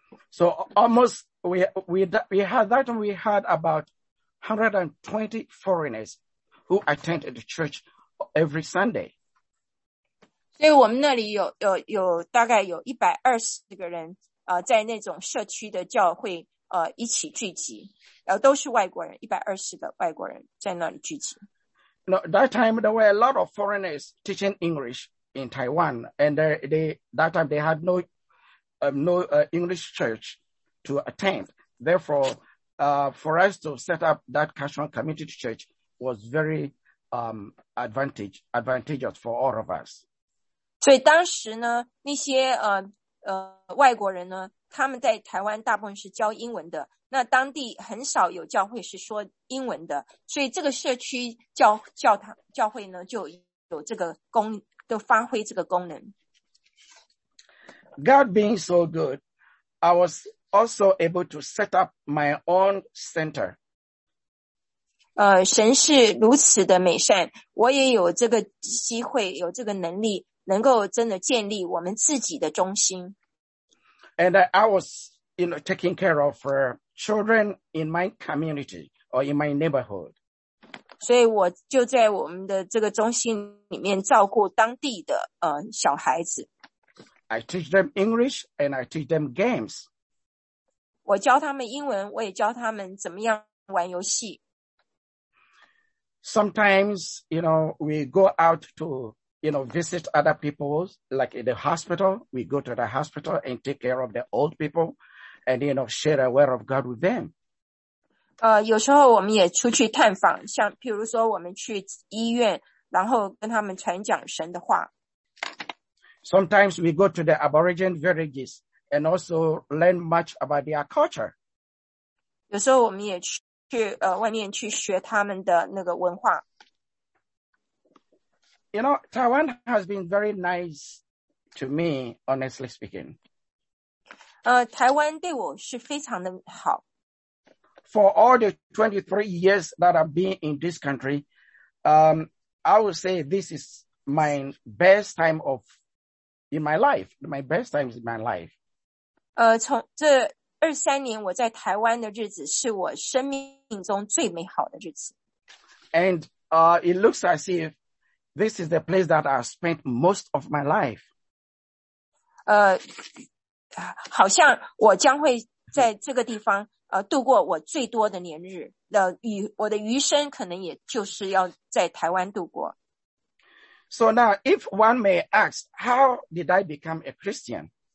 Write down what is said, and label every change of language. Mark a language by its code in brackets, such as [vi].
[en] So almost we had about 120 foreigners who attended the church every Sunday. [zh] 所以我们那里有大概有120个人在那种社区的教会一起聚集，都是外国人，120个外国人在那里聚集。 [en] Now, that time there were a lot of foreigners teaching English in Taiwan, and they that time they had no English church to attend. Therefore, for us to set up that Kaohsiung Community Church was very advantageous for all of us. [zh] 所以当时呢，那些外国人呢，他们在台湾大部分是教英文的，那当地很少有教会是说英文的，所以这个社区教会呢，就有这个功，都发挥这个功能。 [en] God being so good, I was also able to set up my own center. [zh] 神是如此的美善，我也有这个机会，有这个能力。能够真的建立我们自己的中心。 [en] And I was, you know, taking care of children in my community or in my neighborhood. [zh] 所以我就在我们的这个中心里面照顾当地的小孩子。 [en] I teach them English and I teach them games. [zh] 我教他们英文，我也教他们怎么样玩游戏。 [en] Sometimes, you know, we go out to, you know, visit other people, like in the hospital. We go to the hospital and take care of the old people and, you know, share a word of God with them. [zh] 有时候我们也出去探访，像譬如说我们去医院，然后跟他们传讲神的话。 [en] Sometimes we go to the aborigine villages and also learn much about their culture. [zh] 有时候我们也去外面去学他们的那个文化。 [en] You know, Taiwan has been very nice to me, honestly speaking. [zh] 台湾对我是非常的好。 [en] For all the 23 years that I've been in this country, I would say this is my best time of in my life. My best times in my life. [zh] 从这23年我在台湾的日子是我生命中最美好的日子。 [en] And it looks as if this is the place that I spent most of my life. [zh] 好像我将会在这个地方度过我最多的年日，我的余生可能也就是要在台湾度过。 [en] So now, if one may ask, how did I become a Christian?